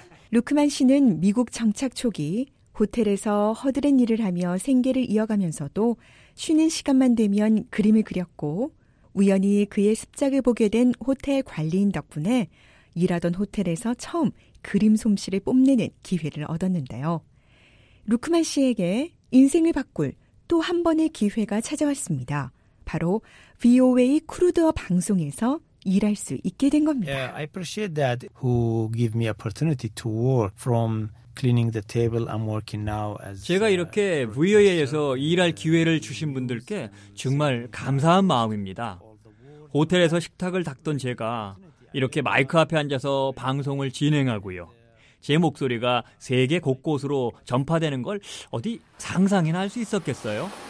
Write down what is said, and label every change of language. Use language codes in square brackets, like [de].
[ko] 루크만 씨는 미국 정착 초기 호텔에서 허드렛 일을 하며 생계를 이어가면서도 쉬는 시간만 되면 그림을 그렸고 우연히 그의 습작을 보게 된 호텔 관리인 덕분에 일하던 호텔에서 처음 그림 솜씨를 뽐내는 기회를 얻었는데요. 루크만 씨에게 인생을 바꿀 또 한 번의 기회가 찾아왔습니다. 바로 VOA 크루드어 방송에서 일할 수 있게 된 겁니다. [en] Yeah, I appreciate that who give me opportunity to work from cleaning the table I'm working now as [ko] 제가 이렇게 VOA에서 일할 기회를 주신 분들께 정말 감사한 마음입니다. 호텔에서 식탁을 닦던 제가 이렇게 마이크 앞에 앉아서 방송을 진행하고요. 제 목소리가 세계 곳곳으로 전파되는 걸 어디 상상이나 할 수 있었겠어요?